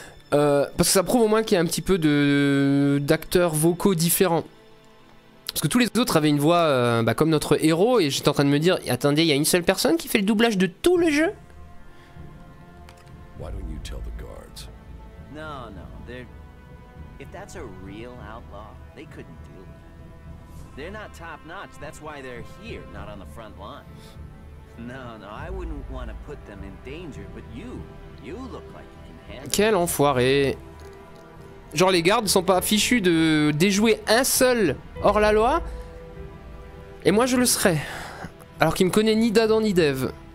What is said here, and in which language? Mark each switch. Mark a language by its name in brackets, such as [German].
[French] Parce que ça prouve au moins qu'il y a un petit peu d'acteurs vocaux différents. Parce que tous les autres avaient une voix bah, comme notre héros, et j'étais en train de me dire, attendez, il y a une seule personne qui fait le doublage de tout le jeu ? [English] Why don't you tell the guards? No, no, they're... If that's a real outlaw, they couldn't do it. They're not top-notch, that's why they're here, not on the front lines. No, no, I wouldn't want to put them in danger, but you, you look like you can handle. [French] Quel enfoiré. Genre les gardes sont pas fichus de déjouer un seul hors la loi. Et moi je le serais. Alors qu'il me connaît ni d'Adam ni d'Ève.